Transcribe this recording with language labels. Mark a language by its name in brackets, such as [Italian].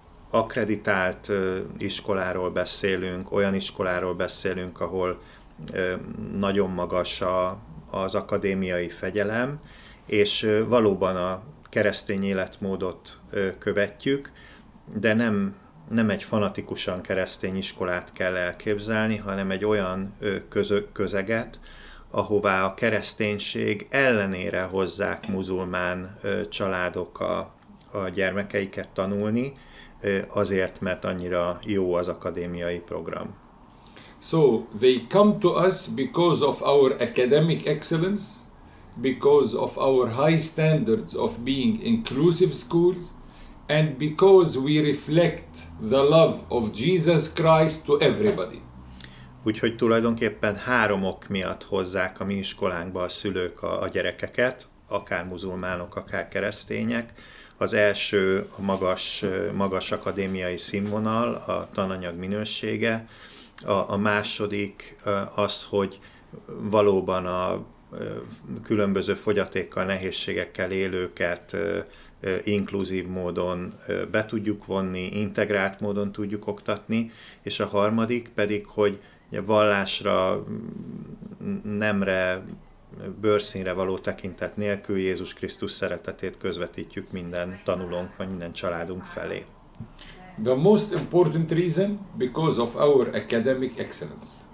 [Hungarian] Akkreditált iskoláról beszélünk, olyan iskoláról beszélünk, ahol nagyon magas az akadémiai fegyelem, és valóban a keresztény életmódot követjük, de nem egy fanatikusan keresztény iskolát kell elképzelni, hanem egy olyan közeget, ahová a kereszténység ellenére hozzák muzulmán családok a gyermekeiket tanulni, azért, mert annyira jó az akadémiai program. [English] So, they come to us because of our academic excellence, because of our high standards of being inclusive schools, and because we reflect the love of Jesus Christ to everybody. [Hungarian] Úgyhogy tulajdonképpen három ok miatt hozzák a mi iskolánkba a szülők a gyerekeket, akár muzulmánok, akár keresztények. Az első a magas akadémiai színvonal, a tananyag minősége. A második az, hogy valóban a különböző fogyatékkal, nehézségekkel élőket inkluzív módon be tudjuk vonni, integrált módon tudjuk oktatni, és a harmadik pedig, hogy vallásra, nemre, bőrszínre való tekintet nélkül Jézus Krisztus szeretetét közvetítjük minden tanulónk vagy minden családunk felé. [English] The most important reason, because of our academic excellence.